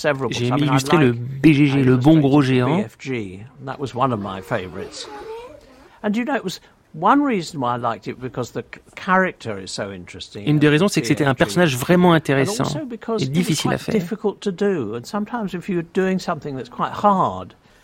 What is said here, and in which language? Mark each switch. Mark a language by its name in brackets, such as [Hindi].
[French] J'ai aimé illustrer le BGG, le bon gros géant. [English] That was one of my favorites. And you know, it was one reason why I liked it because the character is so interesting. [French] Une des raisons, c'est que c'était un personnage vraiment intéressant et difficile à faire. [English] Difficult to do, and sometimes if you're doing something that's quite hard,